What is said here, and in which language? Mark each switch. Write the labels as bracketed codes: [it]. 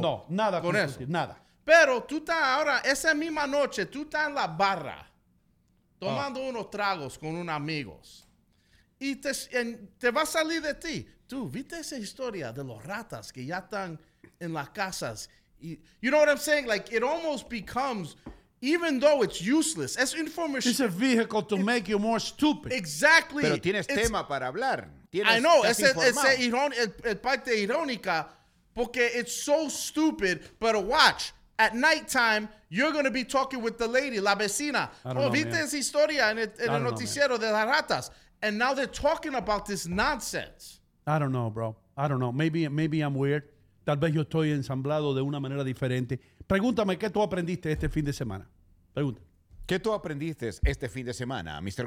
[es] No, nada con eso. Nada. Pero tú estás ahora, esa misma noche, tú estás en la barra tomando unos tragos con unos amigos. Y te va a salir de ti. Tú, ¿viste esa historia de los ratas que ya están en las casas? [en] You know what I'm saying? Like, it almost becomes, even though it's useless, it's information. It's a vehicle to make you more stupid. Exactly. [es] Pero tienes tema para hablar. [en] I know. [es] Es el parte irónica porque [en] it's so stupid. But watch. At nighttime, you're going to be talking with the lady, [es] la vecina. ¿Viste esa historia en el noticiero de las ratas? [en] And now they're talking about this nonsense. I don't know, bro. I don't know. Maybe I'm weird. [es] Tal vez yo estoy ensamblado de una manera diferente. Pregúntame, ¿qué tú aprendiste este fin de semana? ¿Qué tú aprendiste este fin de semana, Mr.